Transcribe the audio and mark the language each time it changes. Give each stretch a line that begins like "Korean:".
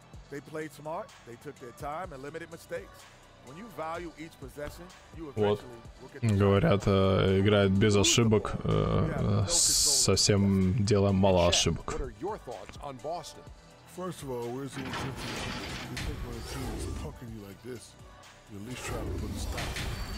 English: They played smart, they took their time and limited mistakes. When you value each possession, you eventually look at the...
Russian: Говорят, играет без ошибок, совсем делаем мало ошибок.
English: What are your thoughts on Boston? First of all, where's the intensity? You think when a team is punking you like this, you at least try to put a stop.